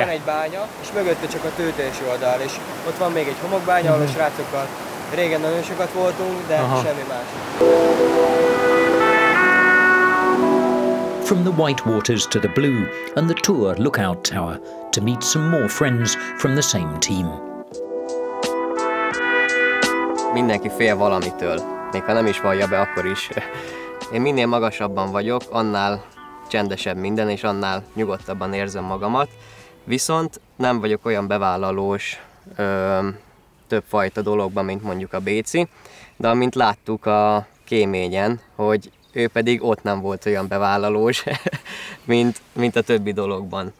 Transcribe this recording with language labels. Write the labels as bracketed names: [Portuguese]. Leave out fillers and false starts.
[Hungarian] Van egy bánya, és mögötte csak a tőtelső oldal, és ott van még egy homokbánya, ahol a srácokkal régen nagyon sokat voltunk, de semmi más. [English] From the white waters to the blue, and the tour lookout tower, to meet some more friends from the same team. [Hungarian] Mindenki fél valamitől, még ha nem is vallja be, akkor is. Én minél magasabban vagyok, annál csendesebb minden, és annál nyugodtabban érzem magamat. Viszont nem vagyok olyan bevállalós többfajta dologban, mint mondjuk a Béci, de amint láttuk a kéményen, hogy ő pedig ott nem volt olyan bevállalós, mint a többi dologban.